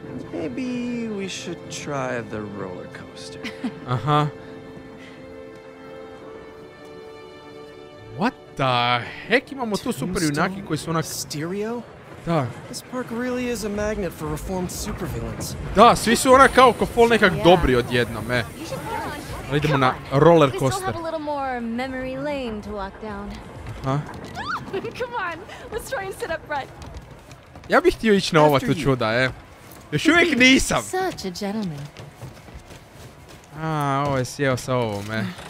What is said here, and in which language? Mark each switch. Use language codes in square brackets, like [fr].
[en] Maybe we should try the roller coaster. Uh-huh. What the heck? [hr] Imamo tu super junaki koji su onak... Stereo? Da. [en] This park really is a magnet for reformed supervillains. [hr] Da, svi su onak kao kofol nekak dobri odjednom, eh. Ali idemo na roller coaster. [en] We still have a little more memory lane to walk down. Uh-huh. Come on, let's try and sit up front. [hr] Ja bih htio ići na ova tu čuda, eh. Još uvijek nisam! [en] Such a gentleman. [hr] Ovo je sjeo sa ovom, eh.